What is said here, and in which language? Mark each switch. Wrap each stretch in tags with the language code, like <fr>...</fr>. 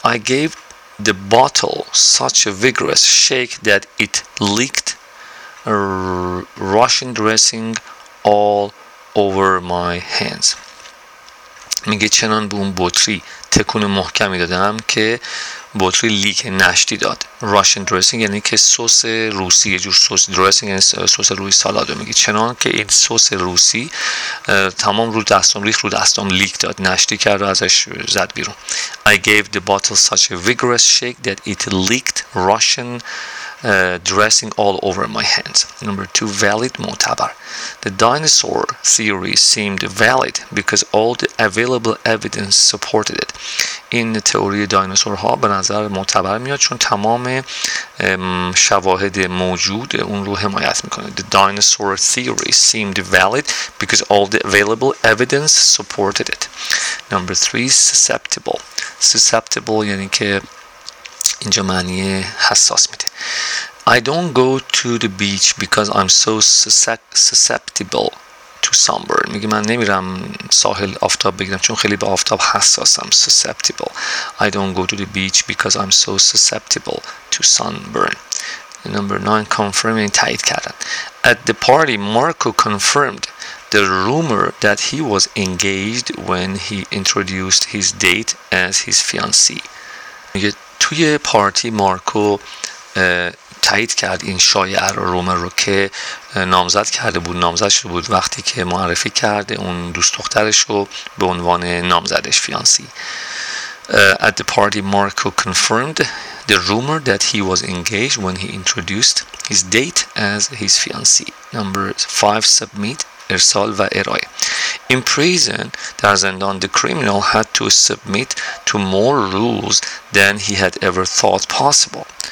<en>I gave the bottle such a vigorous shake that it leaked Russian dressing all over my hands.</en> <fa>میگه چنان به اون بطری تکون محکمی دادم که بطری لیک نشتی داد. Russian dressing یعنی که سس روسی، یه جور سس dressing یعنی سس روی سالاد. میگه چنان که این سس روسی تمام رو دستم ریخت، رو دستم لیک داد، نشتی کرد و ازش زد بیرون.</fa> <en>I gave the bottle such a vigorous shake that it leaked Russian dressing all over my hands. Number two, valid, معتبر. The dinosaur theory seemed valid because all the available evidence supported it.</en> <fa>این تئوری دایناسورها به نظر معتبر میاد چون تمام شواهد موجود اون رو حمایت میکنه.</fa> <en>The dinosaur theory seemed valid because all the available evidence supported it. Number three, susceptible.</en> <fa>Susceptible یعنی که اینجا معنی حساس میده.</fa> <en>I don't go to the beach because I'm so susceptible to sunburn.</en> <fa>میگه من نمیرم ساحل آفتاب بگیرم چون خیلی به آفتاب حساسم.</fa> <en>Susceptible. I don't go to the beach because I'm so susceptible to sunburn. Number 9, confirming, تایید کردن. At the party, Marco confirmed the rumor that he was engaged when he introduced his date as his fiancée.</en> <fa>میگه توی پارتی مارکو تایید کرد این شایعه رو، رومر رو که نامزد کرده بود، نامزد شده بود وقتی که معرفی کرده اون دوست دخترش رو به عنوان نامزدش، فیانسی.</fa> <en>At the party, Marco confirmed the rumor that he was engaged when he introduced his date as his fiancée. Number 5, submit, ارسال و ارائه. In prison, در زندان, the criminal had to submit to more rules than he had ever thought possible.</en>